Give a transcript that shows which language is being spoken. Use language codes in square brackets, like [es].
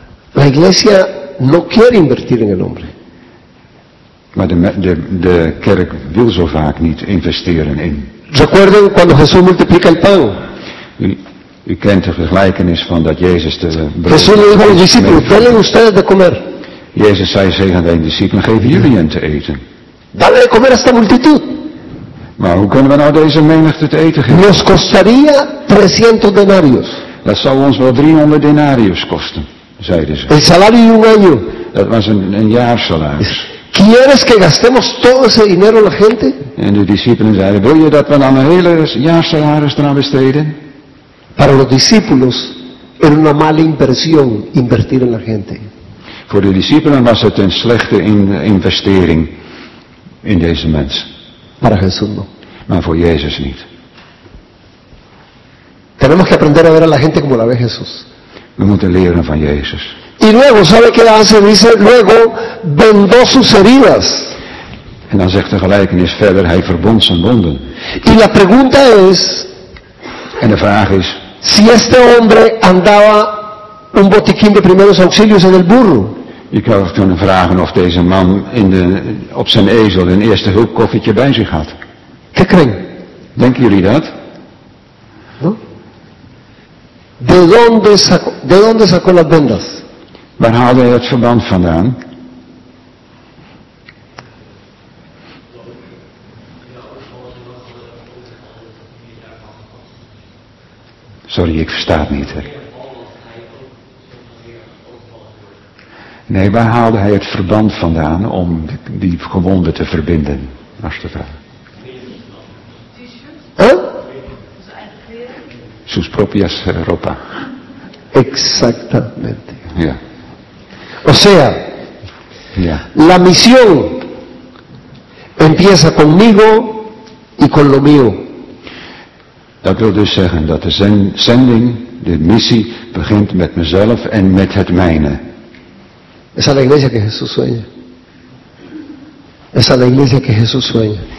[es] La iglesia no quiere invertir en el hombre. [nl] Maar de kerk wil zo vaak niet investeren in. [es] Recuerden cuando Jesús multiplica el pan. [nl] U kent de vergelijkenis van dat Jezus de brood. [es] Jesús dijo a los discípulos, denle ustedes de comer. [nl] Jezus zei tegen de discipelen, geef jullie hen te eten. [es] Dale de comer a esta multitud. [nl] Maar hoe kunnen we nou deze menigte te eten geven? [es] Nos costaría 300 denarios. [nl] Dat zou ons wel 300 denarios kosten, zeiden ze. [es] El salario de un año. [nl] Dat was een jaarsalaris. [es] ¿Quieres que gastemos todo ese dinero la gente? [nl] En de discipelen zeiden, wil je dat we dan een hele jaarsalaris eraan besteden? [es] Para los discípulos era una mala inversión invertir en la gente. [nl] Voor de discipelen was het een slechte investering in deze mens. [es] Para Jesús no. [nl] Maar voor Jezus niet. [es] Tenemos que aprender a ver a la gente como la ve Jesús. [nl] We moeten leren van Jezus. [es] Y luego, ¿sabe qué hace? Dice, luego vendó sus heridas. [nl] En dan zegt de gelijkenis verder, hij verbond zijn wonden. [es] Y la pregunta es. [nl] En de vraag is. [es] Si este hombre andaba un botiquín de primeros auxilios en el burro. [nl] Je kan kunnen vragen of deze man op zijn ezel een eerste hulpkoffertje bij zich had. [es] ¿Qué creen? [nl] Denken jullie dat? [es] No? ¿De dónde sacó las vendas? [nl] Waar haalde hij het verband vandaan? Sorry, ik versta het niet. Hè. Nee, waar haalde hij het verband vandaan om die gewonden te verbinden? Als de vraag. [es] Sus propias ropa. Exactamente. [nl] Ja. [es] O sea, [nl] ja. [es] La misión empieza conmigo y con lo mío. [nl] Dat wil dus zeggen dat de zending, de missie, begint met mezelf en met het mijne. [es] Esa es la iglesia que Jesús sueña. Esa es la iglesia que Jesús sueña.